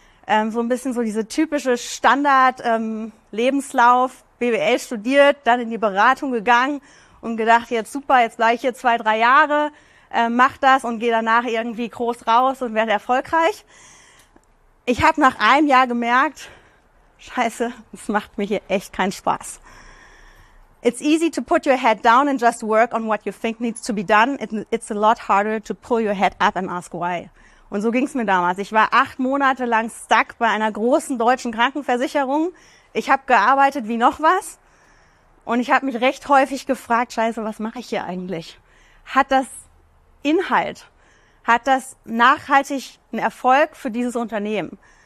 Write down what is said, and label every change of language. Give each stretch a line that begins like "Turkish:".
German: So ein bisschen so diese typische Standard-Lebenslauf, BWL studiert, dann in die Beratung gegangen und gedacht, jetzt super, jetzt bleibe ich hier 2, 3 Jahre, mach das und gehe danach irgendwie groß raus und werde erfolgreich. Ich habe nach einem Jahr gemerkt, scheiße, das macht mir hier echt keinen Spaß.
English: It's easy to put your head down and just work on what you think needs to be done. It's a lot harder to pull your head up and ask why.
German: Und so ging's mir damals. Ich war 8 Monate lang stuck bei einer großen deutschen Krankenversicherung. Ich habe gearbeitet wie noch was. Und ich habe mich recht häufig gefragt, scheiße, was mache ich hier eigentlich? Hat das Inhalt? Hat das nachhaltig einen Erfolg für dieses Unternehmen?